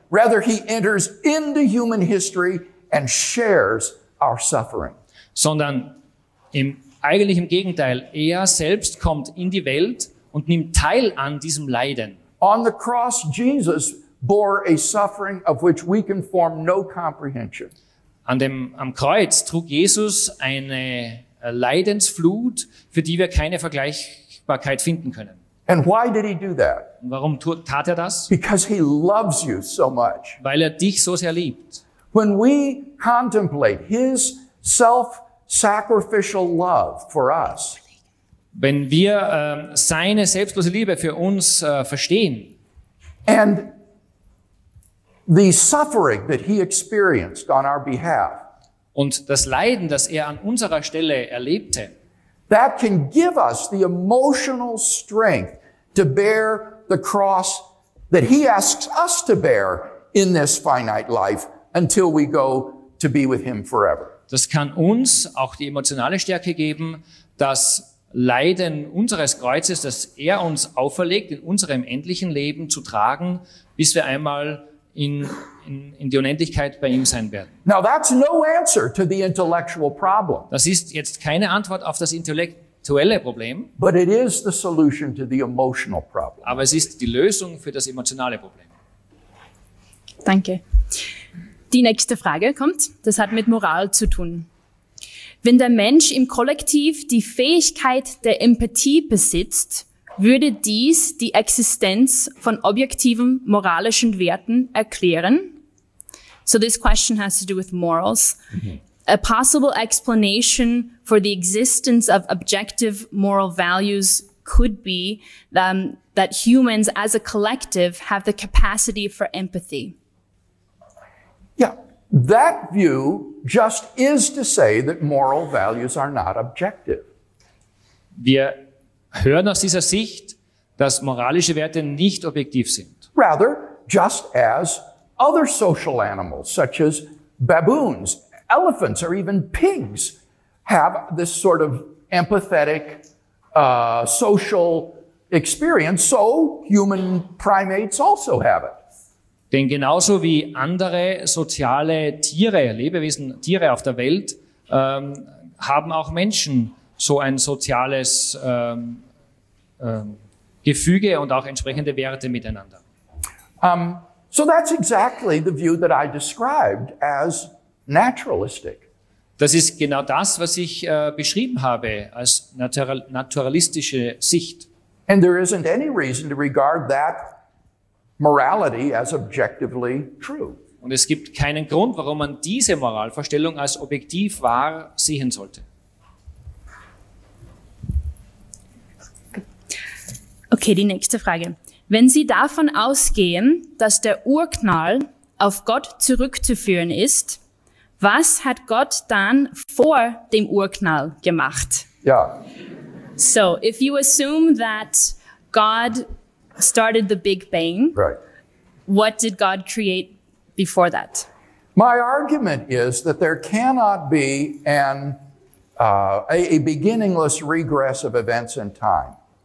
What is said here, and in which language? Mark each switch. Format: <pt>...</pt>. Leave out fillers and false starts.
<en>Rather he enters into human history and shares our suffering.</en> <de>Sondern eigentlich im Gegenteil, er selbst kommt in die Welt und nimmt teil an diesem Leiden.</de> <en>On the cross Jesus bore a suffering of which we can form no comprehension.</en> <de>Am Kreuz trug Jesus eine Leidensflut, für die wir keine Vergleichbarkeit finden können.</de> <en>And why did he do that?</en> <de>Warum tat er das?</de> <en>Because he loves you so much.</en> <de>Weil er dich so sehr liebt.</de> <en>When we contemplate his self-sacrificial love for us.</en> <de>Wenn wir seine selbstlose Liebe für uns verstehen.</de> <en>And the suffering that he experienced on our behalf.</en> <de>Und das Leiden, das er an unserer Stelle erlebte.</de> <en>That can give us the emotional strength to bear the cross that he asks us to bear in this finite life until we go to be with him forever.</en> <de>Das kann uns auch die emotionale Stärke geben, das Leiden unseres Kreuzes, das er uns auferlegt, in unserem endlichen Leben zu tragen, bis wir einmal in die Unendlichkeit bei ihm sein werden.</de> <en>Now that's no answer to the intellectual problem.</en> <de>Das ist jetzt keine Antwort auf das intellektuelle Problem.</de> <en>But it is the solution to the emotional problem.</en> <de>Aber es ist die Lösung für das emotionale Problem. Danke. Die nächste Frage kommt, das hat mit Moral zu tun. Wenn der Mensch im Kollektiv die Fähigkeit der Empathie besitzt, würde dies die Existenz von objektiven moralischen Werten erklären?</de> <en>So this question has to do with morals. Mm-hmm. A possible explanation for the existence of objective moral values could be that humans as a collective have the capacity for empathy. Yeah, that view just is to say that moral values are not objective.</en> <de>Wir hören aus dieser Sicht, dass moralische Werte nicht objektiv sind.</de> <en>Rather, just as other social animals, such as baboons, elephants, or even pigs, have this sort of empathetic social experience, so human primates also have it.</en> <de>Denn genauso wie andere soziale Tiere, Lebewesen, Tiere auf der Welt, haben auch Menschen so ein soziales Gefüge und auch entsprechende Werte miteinander.</de> <en>So that's exactly the view that I described as naturalistic.</en> <de>Das ist genau das, was ich beschrieben habe als naturalistische Sicht.</de> <en>And there isn't any reason to regard that morality as objectively true.</en> <de>Und es gibt keinen Grund, warum man diese Moralvorstellung als objektiv wahr sehen sollte. Okay, die nächste Frage. Wenn Sie davon ausgehen, dass der Urknall auf Gott zurückzuführen ist, was hat Gott dann vor dem Urknall gemacht? Ja.</de> <en>So, if you assume that God started the Big Bang, right. What did God create before that? My argument is that there cannot be a beginningless regress of events in time.</en>